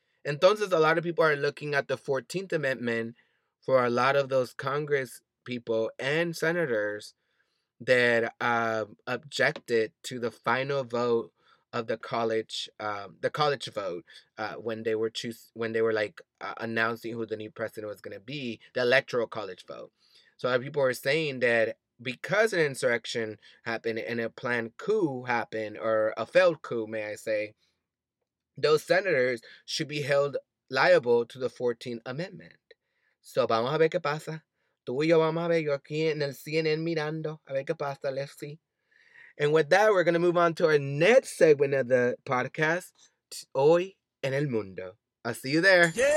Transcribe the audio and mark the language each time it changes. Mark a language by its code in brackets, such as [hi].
[en] Entonces, a lot of people are looking at the 14th Amendment for a lot of those Congress people and senators that objected to the final vote of the college vote when they were announcing who the new president was going to be, the electoral college vote. So people are saying that because an insurrection happened and a planned coup happened, or a failed coup, may I say, those senators should be held liable to the 14th Amendment. [es] So vamos a ver qué pasa. Tú y yo vamos a ver, yo aquí en el CNN mirando, a ver qué pasa, [en] let's see. And with that, we're going to move on to our next segment of the podcast, Hoy en el Mundo. I'll see you there.